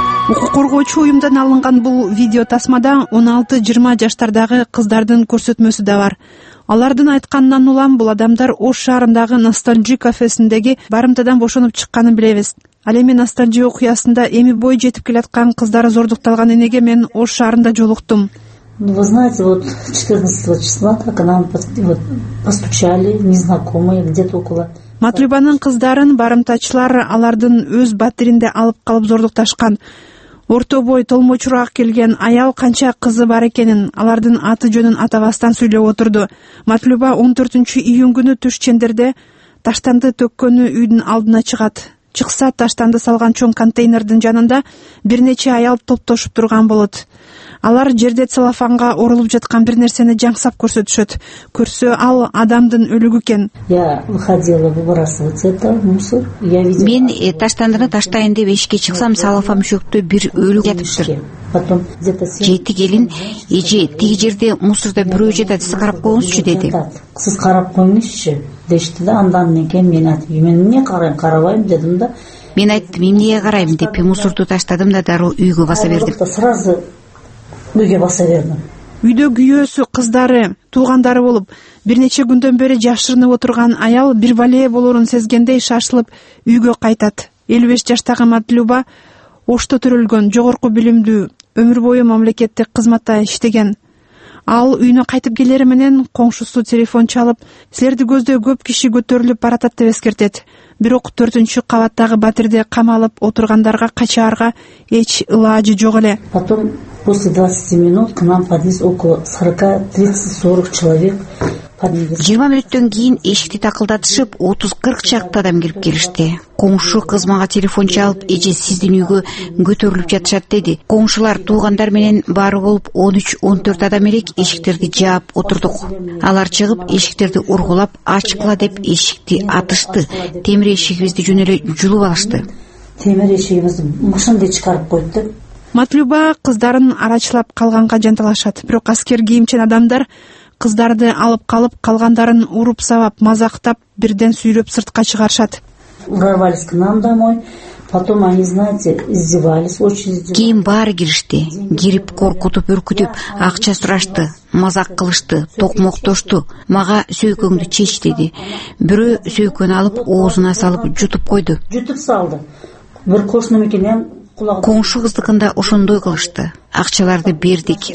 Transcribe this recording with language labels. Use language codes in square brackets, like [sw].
[ky] Укук коргоочу уюмдан алынган бул видео тасмада 16-20 жаштардагы кыздардын көрсөтмөсү да бар. Алардын айтканынан улам бул адамдар Ош шаарындагы Ностальжи кафесиндеги барымтадан бошонуп чыкканын билебиз. Ал эми Ностальжи окуясында эми бой жетип келаткан кыздары зордукталган энеге мен Ош шаарында жолуктум. [ru] Вы знаете, вот 14 числа так нам постучали незнакомые где-то около. [ky] Матлюбанын кыздарын барымтачылар алардын өз батиринде алып калып зордукташкан. Орто бой толмочураак келген аял канча кызы бар экенин, алардын аты жөнүн атабастан сүйлөп отурду. Матлюба 14-июнь күнү түш чендерде таштанды төккөнү үйдүн алдына чыгат. Чыкса таштанды салган чоң контейнердин жанында бир нече аял топтошуп турган болот. Алар жерде целлофанга орулуп жаткан бир нерсени жаңсап көрсөтүшөт. Көрсө ал адамдын өлүгү экен. [ru] Я выходила выбрасывать это мусор. Я видела. [ky] Мен таштандыны таштайын деп эшикке чыксам, целлофан мүшөктө бир өлүк жатыптыр. [ru] Потом где-то [ky] жети келин, эже, тиги жерде мусорда бирөө жатат, сиз карап коюңузчу деди. Сиз карап коюңузчу дешти да, андан кийин мен айттым, мен эмне карайм, карабайм дедим да. Мен айттым, эмнеге карайм деп мусорду таштадым да, дароо үйгө баса бердим. [ru] Сразу [ky] үйгө баса бердим. Үйдө күйөөсү, кыздары, туугандары болуп, бир нече күндөн бери жашырынып отурган аял бир балия болорун сезгендей шашылып үйгө кайтат. 55 жаштагы Матлюба Ошто төрөлгөн, жогорку билимдүү, өмүр бою мамлекеттик кызматта иштеген. Ал үйүнө кайтып келери менен коңшусу телефон чалып, силерди көздөй көп киши көтөрүлүп баратат деп эскертет. Бирок 4-чү кабаттагы батирде камалып отургандарга, качаарга эч ылаажы жок эле. [ru] Потом после 20 минут к нам подлез около 40-30-40 человек. [ky] 20 мүнөттөн кийин эшикти такылдатышып 30-40 чакты адам кирип келишти. Коңшу кыз мага телефон чалып, эже сиздин үйгө көтөрүлүп жатышат деди. Коңшулар туугандар менен бары болуп 13-14 адам элек эшиктерди жаап отурдук. Алар чыгып эшиктерди ургулап, ачкыла деп эшикти атышты. Темир эшигибизди жөн эле жулуп алышты. Темир эшигибизди мушундай чыгарып койду. Матлюба кыздарын арачылап калганга жанталашат. Бирок аскер кийимчен адамдар кыздарды алып калып, калгандарын уруп сабап, мазактап, бирден сүйрөп сыртка чыгарышат. [ru] Урвались к нам домой. Потом они, знаете, издевались, очень издевались. [ky] Кийин баары киришти. Кирип коркутуп, үркүтүп, акча сурашты, мазак кылышты, токмоктошту. Мага сөйкөңдү чеч деди. Бирөө сөйкөнү алып, оозуна салып жутуп койду. Жутуп салды. Бир кошунумукунан Коңшу кыздыкында ошондой кылышты. Акчаларды бердик.